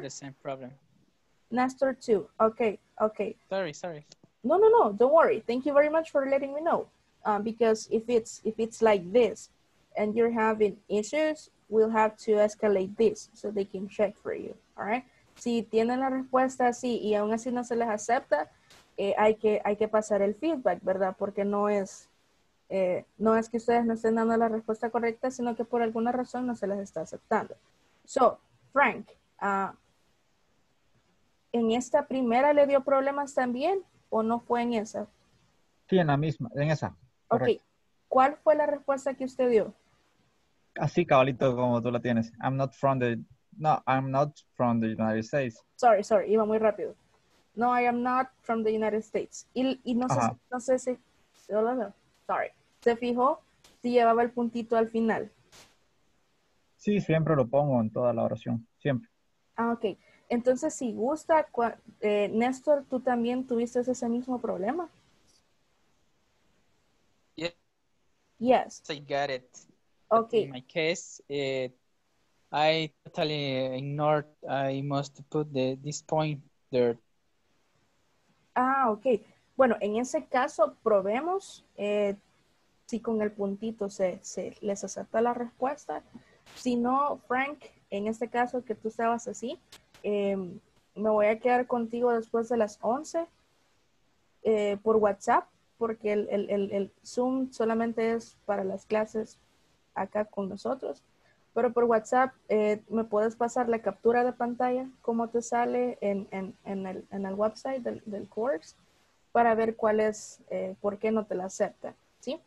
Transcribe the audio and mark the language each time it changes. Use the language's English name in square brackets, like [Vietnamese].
[English] The same problem. Nestor too. Okay, okay. Sorry. No, don't worry. Thank you very much for letting me know. Because if it's like this, and you're having issues, we'll have to escalate this so they can check for you, all right? [Spanish] Si tienen la respuesta así y aún así no se les acepta, hay que pasar el feedback, ¿verdad? Porque no es que ustedes no estén dando la respuesta correcta, sino que por alguna razón no se les está aceptando. So, Frank, ¿en esta primera le dio problemas también o no fue en esa? Sí, en la misma, en esa. Correcto. Ok, ¿cuál fue la respuesta que usted dio? Así, cabalito, como tú la tienes. [English] I'm not from the United States. [Spanish] Sorry, iba muy rápido. [English] No, I am not from the United States. [Spanish] Y no sé, sorry. ¿Se fijó si llevaba el puntito al final? Sí, siempre lo pongo en toda la oración, siempre. Ah, ok. Entonces, si gusta, Néstor, ¿tú también tuviste ese mismo problema? [English] Yes. Yes. I got it. Okay. In my case, I totally ignored, I must put this point there. Ah, okay. [Spanish] Bueno, en ese caso, probemos si con el puntito se les acepta la respuesta. Si no, Frank, en este caso que tú estabas así, me voy a quedar contigo después de las 11 por WhatsApp, porque el Zoom solamente es para las clases acá con nosotros, pero por WhatsApp me puedes pasar la captura de pantalla, cómo te sale en el website del course, para ver cuál es, por qué no te la acepta, ¿sí?